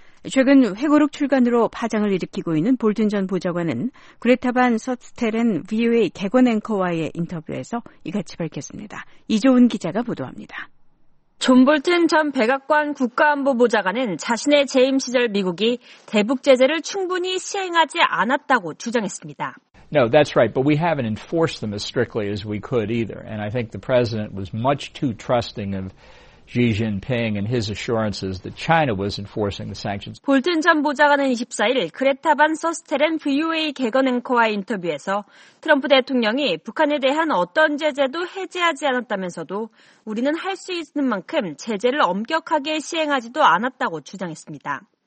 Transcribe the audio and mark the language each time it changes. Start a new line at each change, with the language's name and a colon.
Korean: 최근 회고록 출간으로 파장을 일으키고 있는 볼튼 전 보좌관은 그레타 반 서스테렌 VOA 객원 앵커와의 인터뷰에서 이같이 밝혔습니다. 이조은 기자가 보도합니다. 존 볼튼 전 백악관 국가안보 보좌관은 자신의 재임 시절 미국이 대북 제재를 충분히 시행하지 않았다고 주장했습니다.
English: No, that's right. But we haven't enforced them as strictly as we could either. And I think the president was much too trusting of Xi Jinping and his assurances that China was enforcing the sanctions.
Korean: 볼튼 전 보좌관은 24일 그레타 반 서스테렌 VOA 객원 앵커와의 인터뷰에서 트럼프 대통령이 북한에 대한 어떤 제재도 해제하지 않았다면서도 우리는 할 수 있는 만큼 제재를 엄격하게 시행하지도 않았다고 주장했습니다.